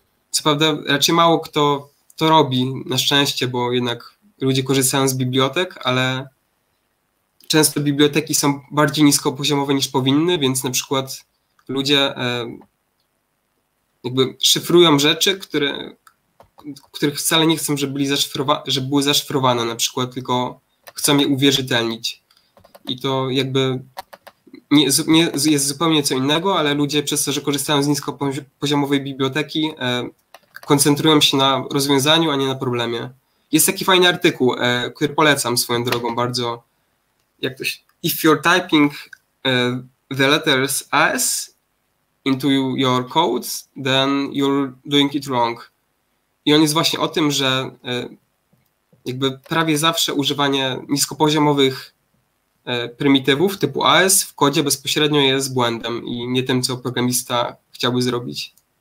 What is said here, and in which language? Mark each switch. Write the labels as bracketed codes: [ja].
[pl] Co prawda raczej mało kto to robi, na szczęście, bo jednak ludzie korzystają z bibliotek, ale często biblioteki są bardziej niskopoziomowe niż powinny, więc na przykład ludzie jakby szyfrują rzeczy, których wcale nie chcą, żeby były zaszyfrowane na przykład, tylko chcą je uwierzytelnić. I to jakby nie jest zupełnie co innego, ale ludzie przez to, że korzystają z niskopoziomowej biblioteki, koncentrują się na rozwiązaniu, a nie na problemie. Jest taki fajny artykuł, który polecam swoją drogą bardzo. Jak to się, [en] if you're typing the letters S into your code, then you're doing it wrong. [pl] I on jest właśnie o tym, że jakby prawie zawsze używanie niskopoziomowych prymitywów typu AS w kodzie bezpośrednio jest błędem i nie tym, co programista chciałby zrobić.